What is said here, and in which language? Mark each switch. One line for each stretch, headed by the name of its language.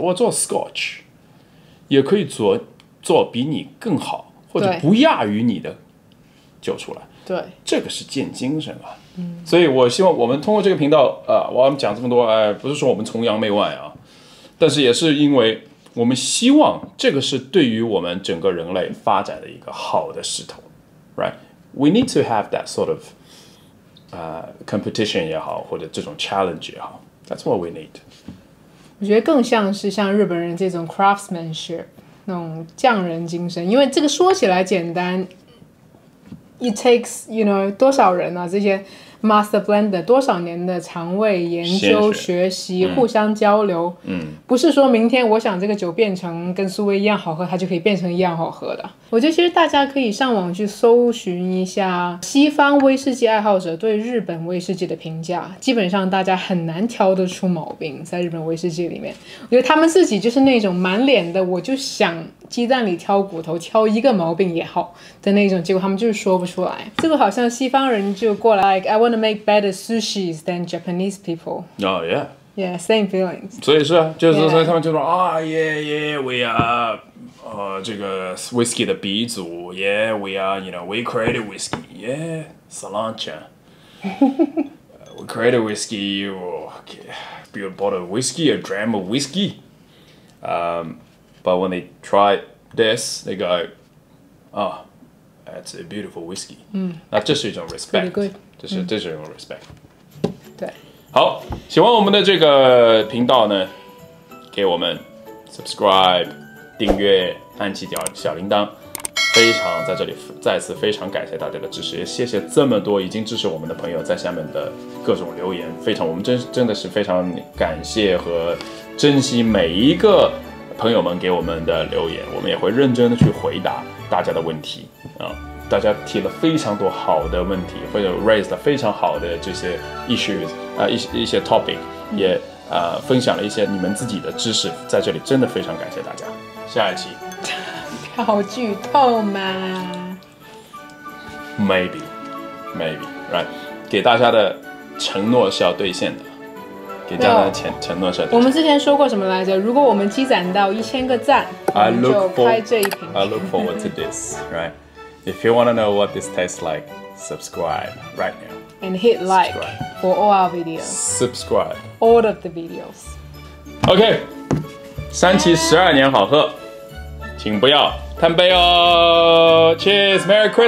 Chinese: 我做 Scotch， 也可以做比你更好或者不亚于你的酒出来。对，这个是见精神啊。嗯，所以我希望我们通过这个频道，我们讲这么多，不是说我们崇洋媚外啊，但是也是因为我们希望这个是对于我们整个人类发展的一个好的势头 ，right？
English: We need to have that sort of。 competition 也好，或者这种 challenge 也好 ，That's what we need。
Chinese: 我觉得更像是像日本人这种 craftsmanship 那种匠人精神，因为这个说起来简单 ，
English: It takes you know
Chinese: 多少人啊？这些 master blender 多少年的肠胃研究、学习、互相交流，嗯，不是说明天我想这个酒变成跟苏威一样好喝，它就可以变成一样好喝的。我觉得其实大家可以上网去搜寻一下西方威士忌爱好者对日本威士忌的评价，基本上大家很难挑得出毛病。在日本威士忌里面，我觉得他们自己就是那种满脸的我就想鸡蛋里挑骨头，挑一个毛病也好的那种，结果他们就是说不出来。这个好像西方人就过来
English: like, I want to make better sushi than Japanese people. Oh yeah. Yeah, same feelings.
Chinese: 所以是啊，就是说他们就说啊、yeah.
English: oh, yeah yeah we are这个 whiskey 的鼻祖 ，Yeah, we are, you know, we created whiskey, yeah, Sriracha. we created whiskey, okay, we bought a whiskey, a dram of whiskey. But when they tried this, they go, oh, that's a beautiful whiskey. 嗯，
Chinese: 那这是一种 respect， 这是一种 respect。对，好，喜欢我们的这个频道呢，给我们 subscribe。订阅按起小铃铛，非常在这里再次非常感谢大家的支持，也谢谢这么多已经支持我们的朋友在下面的各种留言，非常我们真的是非常感谢和珍惜每一个朋友们给我们的留言，我们也会认真的去回答大家的问题啊，大家提了非常多好的问题，或者 raised 非常好的这些 issues 一些 topic， 也分享了一些你们自己的知识，在这里真的非常感谢大家。下一期，票剧透吗？
English: Maybe， right？
Chinese: 给大家的承诺是要兑现的，给大家的承诺是要兑现。我们之前说过什么来着？如果我们积攒到1000个赞，我们就开这一瓶。
English: I look forward to this， right？ If you want to know what this tastes like, subscribe right now. And hit like for all our videos. Subscribe. All of the videos.
Chinese: OK, 三七十二年好喝，请不要贪杯哦。
English: Cheers, Merry Christmas!